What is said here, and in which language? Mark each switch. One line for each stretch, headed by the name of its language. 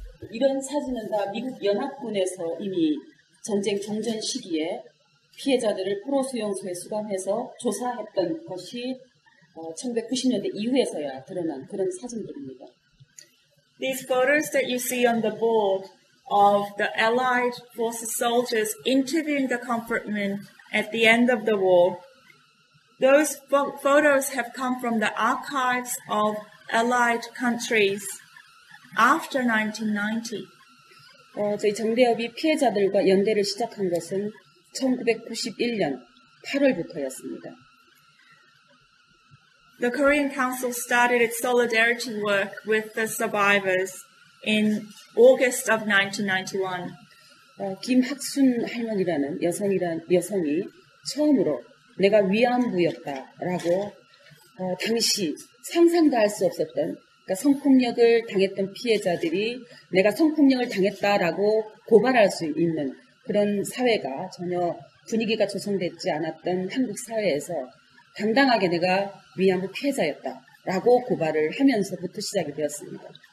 Korean: 이런 사진은 다 미국 연합군에서 이미 전쟁 종전 시기에 피해자들을 포로수용소에 수감해서 조사했던 것이 1990년대 이후에서야 드러난 그런 사진들입니다.
English: These photos that you see on the board of the Allied forces soldiers interviewing the comfort men at the end of the war, those photos have come from the archives of Allied countries after 1990.
Korean: 저희 정대협이 피해자들과 연대를 시작한 것은 1991년 8월부터였습니다.
English: The Korean Council started its solidarity work with the survivors in August of 1991.
Korean: 김학순 할머니라는 여성이 처음으로 내가 위안부였다라고 당시 상상도 할 수 없었던 그러니까 성폭력을 당했던 피해자들이 내가 성폭력을 당했다라고 고발할 수 있는 그런 사회가 전혀 분위기가 조성되지 않았던 한국 사회에서 당당하게 내가 위안부 피해자였다라고 고발을 하면서부터 시작이 되었습니다.